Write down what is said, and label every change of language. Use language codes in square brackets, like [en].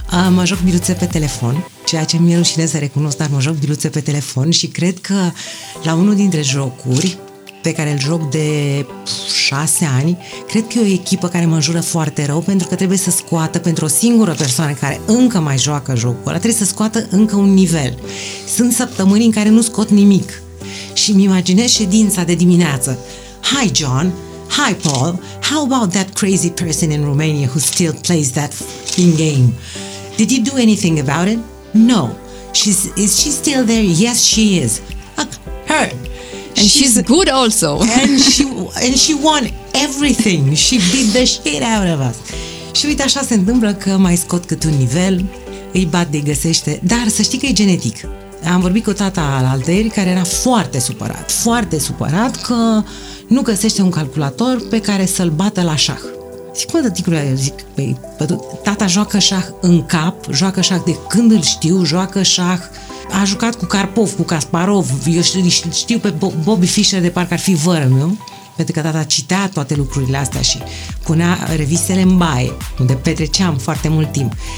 [ro] Mă joc biluțe pe telefon, ceea ce mi-e rușine să recunosc, dar mă joc biluțe pe telefon și cred că la unul dintre jocuri pe care îl joc de 6 ani. Cred că e o echipă care mă jură foarte rău, pentru că trebuie să scoată, pentru o singură persoană care încă mai joacă jocul ăla, trebuie să scoată încă un nivel. Sunt săptămâni în care nu scot nimic. Și îmi imaginez ședința de dimineață. [en] Hi, John! Hi, Paul! How about that crazy person in Romania who still plays that f***ing game? Did you do anything about it? No. Is she still there? Yes, she is. Her. And she's good also. And she won everything. She beat the shit out of us. [ro] Și uite, așa se întâmplă că mai scot cât un nivel, îi bat de găsește, dar să știi că e genetic. Am vorbit cu tata alaltă ieri, care era foarte supărat, foarte supărat că nu găsește un calculator pe care să-l bată la șah. Zic, mă, tăticule, zic, tata joacă șah în cap, joacă șah de când îl știu, joacă șah, a jucat cu Karpov, cu Kasparov, eu știu pe Bobby Fischer de parcă ar fi vără meu, pentru că tata citea toate lucrurile astea și punea revistele în baie, unde petreceam foarte mult timp.